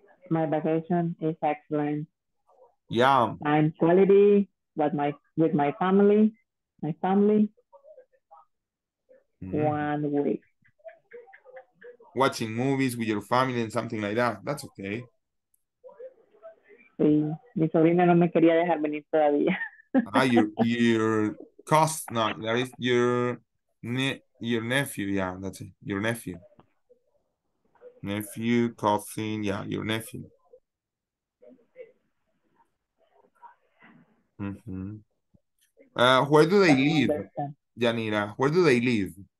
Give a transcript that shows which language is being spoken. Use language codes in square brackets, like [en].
[en] My vacation is excellent. Yeah. I'm quality with my family. My family. Mm-hmm. 1 week. Watching movies with your family and something like that. That's okay. [es] Sí. Mi sobrina no me quería dejar venir todavía. [en] Ah, your cost, no, that is your nephew, yeah, that's it, your nephew. Nephew, cousin, yeah, your nephew. Mm-hmm. Where do they live, Janira? Where do they live?